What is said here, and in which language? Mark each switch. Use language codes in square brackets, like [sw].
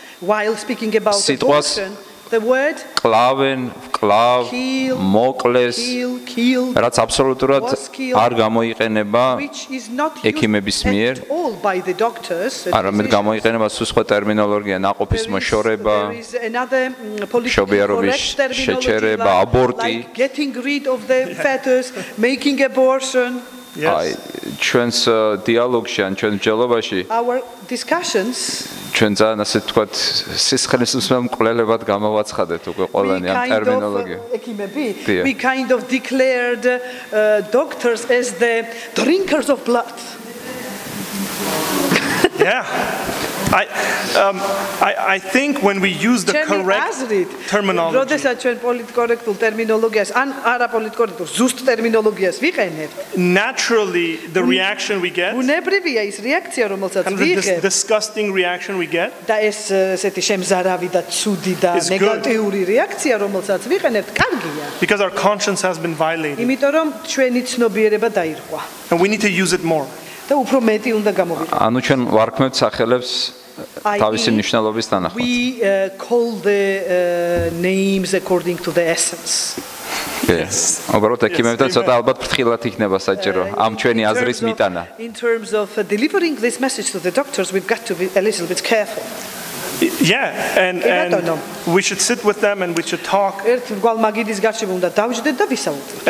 [en] While speaking about abortion, the word [ka] კლავენ, კლავ, მოკლეს, [en] kill, [ka] რაც აბსოლუტურად არ გამოიყენება ექიმების მიერ. არამედ გამოიყენება სულ სხვა ტერმინოლოგია, ნაყოფის მოშორება, შობიარობის შეჩერება, აბორტი, [en] getting rid of the fetus, making abortion. [ka] აი, ჩვენს დიალოგში ან ჩვენს მსჯელობაში [en] discussions [ka] ჩვენც ან ასე თქვათ სისხლის მსმელ მკვლელებად გამოვაცხადეთ უკვე ყველანი ამ [en] ტერმინოლოგიები we kind of declared doctors as the drinkers of blood yeah I think when we use the correct terminology [ka] როდესაც ჩვენ პოლიტკორექტულ ტერმინოლოგიას ან არაპოლიტკორექტულ ზუსტ ტერმინოლოგიას ვიყენებთ [en] naturally the reaction we get [ka] უნებრივია ის რეაქცია რომელსაც ვიღებთ [en] the disgusting reaction we get [ka] და ეს ესეთი შემზარავი და ცუდი და ნეგატიური რეაქცია რომელსაც ვიყენებთ კარგია [en] because our conscience has been violated [ka] იმიტომ რომ ჩვენი ცნობიერება დაირღვა [en] and we need to use it more [ka] და უფრო მეტი უნდა გამოვიყენოთ. ანუ ჩვენ ვარქმევთ სახელებს თავისი მნიშვნელობის თანახმად. [en] We call the names according to the essence. Yes. [ka] უბრალოდ ეკიმებთან ცოტა ალბათ ფრთხილად იქნება საჭირო ამ ჩვენი აზრის მიტანა. [en] In terms of delivering this message to the doctors we've got to be a little bit careful. Yeah and we should sit with them and we should talk [ka] ერთ გვალ მაგიდის გარშემო უნდა დავიჯდეთ და ვისაუბროთ